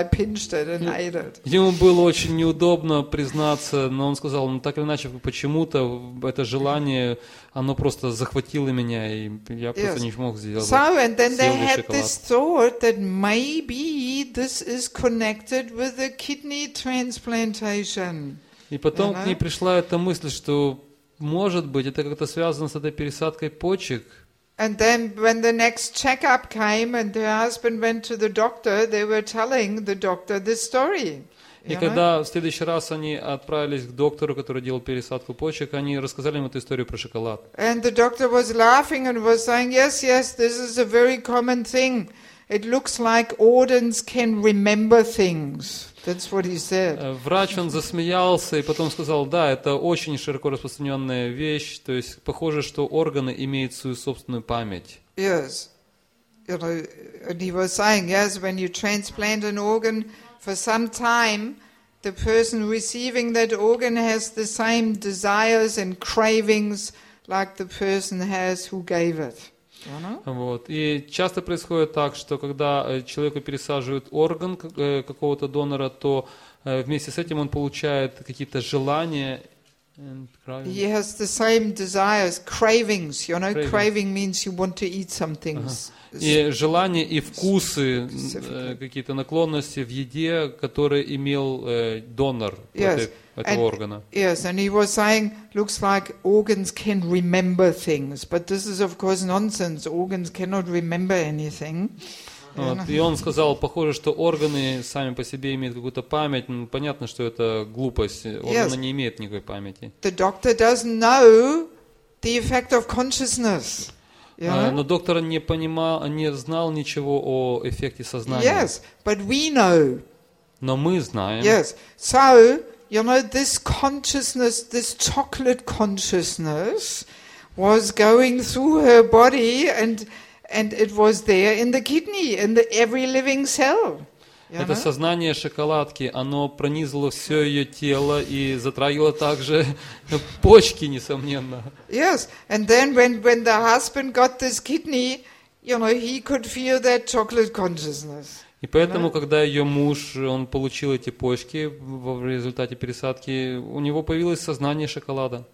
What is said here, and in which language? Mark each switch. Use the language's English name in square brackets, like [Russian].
[Russian] Ему было очень неудобно признаться, но он сказал, ну так или иначе, почему-то это желание, оно просто захватило меня, и я просто не смог сделать. [English] So, and then they had this thought that maybe this is connected with the kidney transplantation. [Russian] И потом к ней пришла эта мысль, что может быть, это как-то связано с этой пересадкой почек. [English] And then when the next checkup came and her husband went to the doctor, they were telling the doctor this story. [Russian] И когда в следующий раз они отправились к доктору, который делал пересадку почек, они рассказали ему эту историю про шоколад. [English] And the doctor was laughing and was saying, "Yes, yes, this is a very common thing. It looks like organs can remember things." That's what he said. [Russian] Врач он засмеялся и потом сказал: "Да, это очень широко распространенная вещь, то есть похоже, что органы имеют свою собственную память." [English] Yes. You know, and he was saying, "Yes, when you transplant an organ for some time, the person receiving that organ has the same desires and cravings like the person has who gave it." [Russian] Вот. И часто происходит так, что когда человеку пересаживают орган какого-то донора, то вместе с этим он получает какие-то желания. [English] He has the same desires, cravings. You know, craving means you want to eat something. [Russian] И желания, и вкусы, какие-то наклонности в еде, которые имел донор этого органа. [English] Yes, and he was saying, looks like organs can remember things. But this is, of course, nonsense. Organs cannot remember anything. [Russian] И он сказал, похоже, что органы сами по себе имеют какую-то память. Ну, понятно, что это глупость. Органы не имеют никакой памяти. [English] The doctor doesn't know the effect of consciousness. [Russian] Но доктор не понимал, не знал ничего о эффекте сознания. [English] Yes, but we know. [Russian] Но мы знаем. [English] Yes. So, you know, this consciousness, this chocolate consciousness was going through her body and it was there in the kidney, in the every living cell. [Russian] Это сознание шоколадки, оно пронизало все ее тело и затрагивало также почки, несомненно. [English] Yes, and then when the husband got this kidney, you know, he could feel that chocolate consciousness. [Russian] И поэтому, когда ее муж, он получил эти почки в результате пересадки, у него появилось сознание шоколада.